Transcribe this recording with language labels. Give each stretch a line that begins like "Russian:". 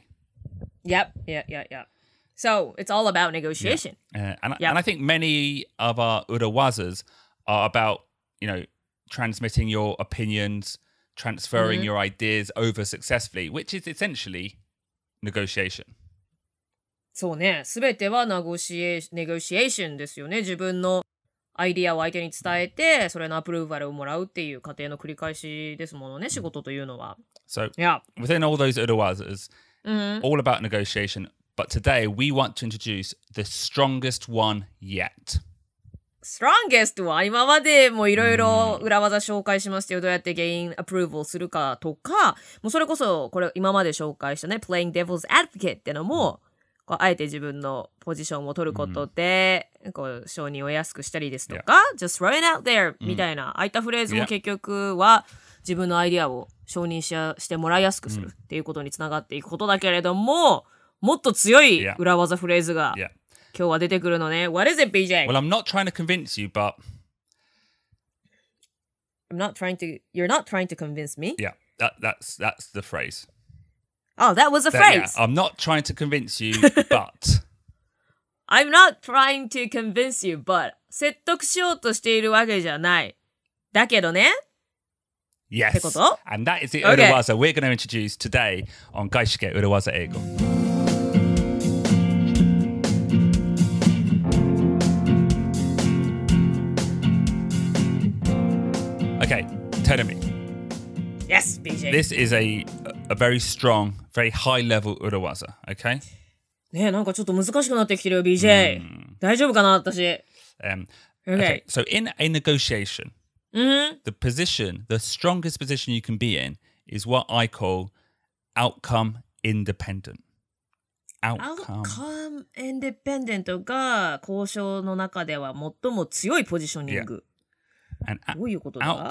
English: Mm-hmm. Yep. Yeah, yeah, yeah. So, it's all about negotiation. Yeah. And I think many of our 裏技's are about, you know, transmitting your opinions,transferring your ideas over successfully, which is essentially negotiation.
Japanese: そうね、すべてはネゴシエーションですよね。自分のアイディアを相手に伝えて、それのアプローバルをもらうっていう過程の繰り返しですものね、仕事というのは。
English: So, yeah. Within all those 裏技's, all about negotiation, but today we want to introduce the strongest one yet. Strongest one?
Japanese: 今までもいろいろ裏技紹介しましたよ。どうやってゲインアプローブをするかとか、もうそれこそこれ今まで紹介したね、playing devil's advocate ってのも、こうあえて自分のポジションを取ることで、こう承認を安くしたりですとか、yeah.
English: just throw it out there
Japanese: みたいな、ああいったフレーズも結局は自分のアイディアを承認 してもらいやすくするっていうことにつながっていくことだけれども、もっと強い裏技フレーズが、
English: yeah.
Japanese: 今日は出てくるのね。
English: What is it, BJ? Well, I'm not trying to convince you, but... I'm not trying to... You're not trying to convince me? Yeah, that's the phrase. Oh, that was a phrase! Yeah, I'm not trying to convince you, but... I'm not trying to convince you, but...
Japanese: 説得しようとしているわけじゃない。だけどね。
English: Yes.
Japanese: ってこと?
English: And that is the 裏技 we're going to introduce today on 外資系裏技英語。 Okay, tell me. Yes, BJ. This is a very strong, very high level 裏技, okay?
Japanese: ねえ、なんかちょっと難しくなってきてるよ、BJ。大丈夫かな、私。
English: Okay. Okay, so in a negotiation,、the position, the strongest position you can be in is what I call outcome independent.
Japanese: Outcome independent が交渉の中では最も強いポジショニング。Yeah. どういうことだ?